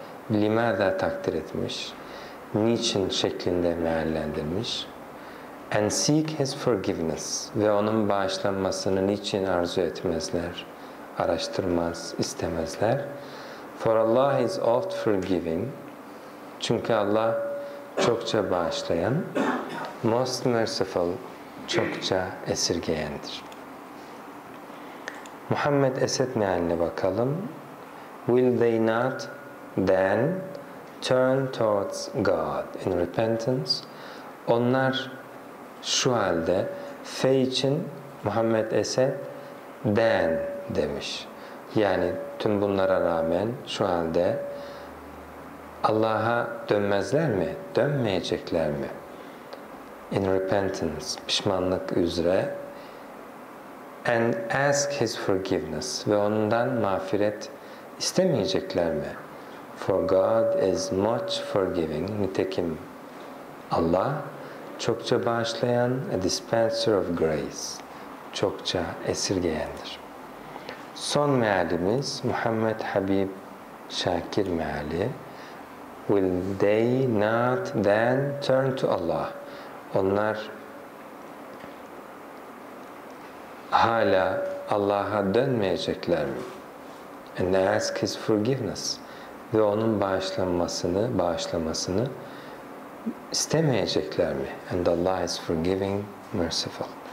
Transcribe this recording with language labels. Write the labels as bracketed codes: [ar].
[tr] Limada takdir etmiş. Niçin şeklinde meallendirmiş. [en] And seek his forgiveness. [tr] Ve onun bağışlanmasını niçin arzu etmezler, araştırmaz, istemezler. [en] For Allah is oft forgiving. [tr] Çünkü Allah çokça bağışlayan, [en] most merciful, [tr] çokça esirgeyendir. Muhammed Esed mealine bakalım. [en] Will they not then turn towards God in repentance? [tr] Onlar şu halde fe için Muhammed Esed then demiş. Yani tüm bunlara rağmen şu halde Allah'a dönmezler mi? Dönmeyecekler mi? [en] in repentance, [tr] pişmanlık üzere, [en] and ask his forgiveness, [tr] ve ondan mağfiret istemeyecekler mi? [en] For God is much forgiving, [tr] nitekim Allah çokça bağışlayan, [en] a dispenser of grace, [tr] çokça esirgeyendir. Son mealimiz Muhammed Habib Şakir meali. [en] Will they not then turn to Allah? [tr] Onlar hala Allah'a dönmeyecekler mi? [en] And ask his forgiveness. [tr] Ve onun bağışlamasını istemeyecekler mi? [en] And Allah is forgiving, merciful.